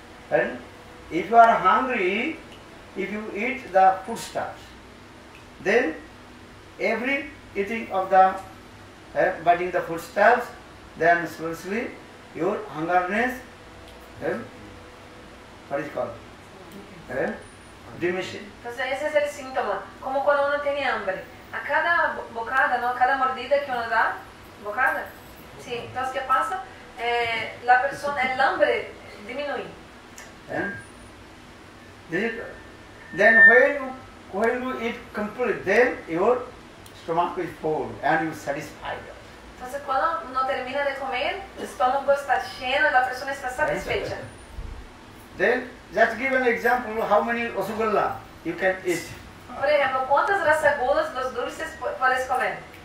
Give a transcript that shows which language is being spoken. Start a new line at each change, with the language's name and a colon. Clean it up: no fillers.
English: And if you are hungry, if you eat the foodstuffs, then every eating of the biting the foodstuffs, then seriously your hungerness, what is called? Diminishes.
Spanish: Entonces ese es el síntoma, como cuando uno tiene hambre. A cada bocada, ¿no? A cada mordida que uno da, bocada. Sí. Entonces qué pasa? La persona, el hambre disminuye.
English: Then when you eat complete, then your stomach is full and you are satisfied.
Spanish: Entonces cuando no termina de comer, el estómago está lleno, la persona está satisfecha.
English: Then, just give an example, how many rasagulla you can eat.
Spanish: Por ejemplo, ¿cuántas rasagulas los dulces puedes comer?